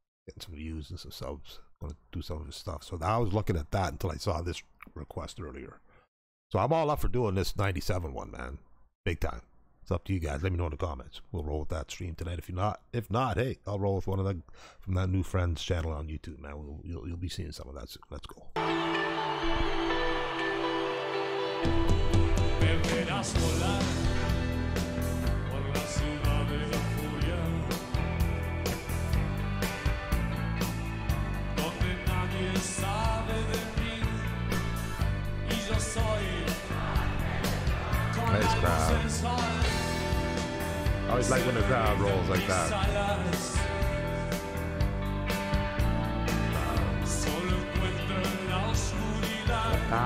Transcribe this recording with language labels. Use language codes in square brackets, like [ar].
[en] Getting some views and some subs. Going to do some of his stuff. So I was looking at that until I saw this request earlier. So I'm all up for doing this 97 one, man. Big time. It's up to you guys. Let me know in the comments. We'll roll with that stream tonight. If not, hey, I'll roll with one of the from that new friend's channel on YouTube, man. You'll be seeing some of that soon. Let's go. [es] Me verás volar por la ciudad de la furia, donde nadie sabe de mí y yo soy con la luz sensual. [en] I always like when the crowd rolls like that. [es] Solo encuentro en la oscuridad.